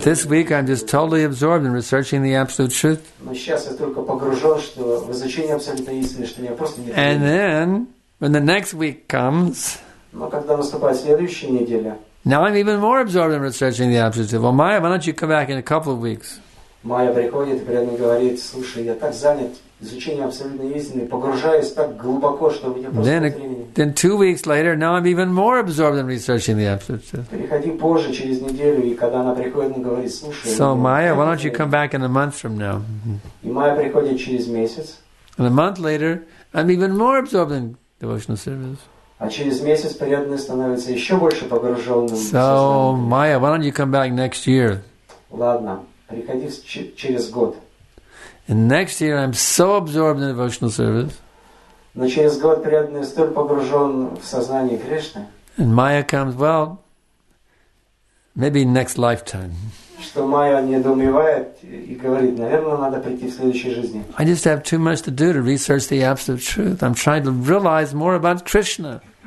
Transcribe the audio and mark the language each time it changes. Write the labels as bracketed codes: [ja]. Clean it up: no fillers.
[en] But this week I'm just totally absorbed in researching the absolute truth. [ru] Но сейчас я только погружен, что в изучение абсолютной истины, что у меня просто нет времени. [en] And then, when the next week comes, [ru] но когда наступает следующая неделя, [en] now I'm even more absorbed in researching the absolute truth. Well, Maya, why don't you come back in a couple of weeks? [ru] Майя приходит, преданный говорит, слушай, я так занят изучение абсолютной истины, погружаюсь так глубоко, что у меня просто [en] then, [ru] нет времени. [en] Then 2 weeks later, now I'm even more absorbed in researching the absolute truth. [ru] Приходи позже, через неделю, и когда она приходит, она говорит, слушай. [en] So, Maya, why don't you come back in a month from now? [ru] И Майя приходит через месяц. [en] And a month later, I'm even more absorbed in devotional service. [ru] А через месяц преданный становится еще больше погруженным. [en] So, Maya, why don't you come back next year? [ru] Ладно, приходи через год. [en] And next year I'm so absorbed in devotional service. [ru] Но через год преданный столь погружен в сознание Кришны. [en] And Maya comes, well, maybe next lifetime. [ru] Что Майя недоумевает и говорит, наверное, надо прийти в следующей жизни. [en] I just have too much to do to research the absolute truth. I'm trying to realize more about Krishna.